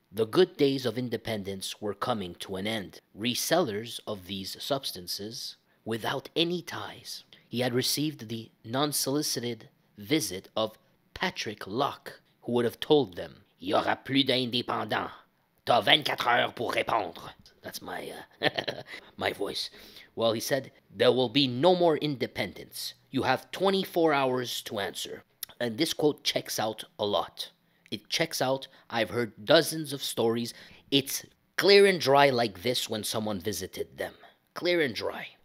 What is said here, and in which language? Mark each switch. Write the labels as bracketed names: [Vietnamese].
[English] The good days of independence were coming to an end. Resellers of these substances without any ties. He had received the non-solicited visit of Patrick Locke, who would have told them, [French] "Il n'y aura plus d'indépendants. T'as 24 heures pour répondre." [English] That's my my voice. Well, he said, "There will be no more independence. You have 24 hours to answer." And this quote checks out a lot. It checks out. I've heard dozens of stories. It's clear and dry like this when someone visited them. Clear and dry.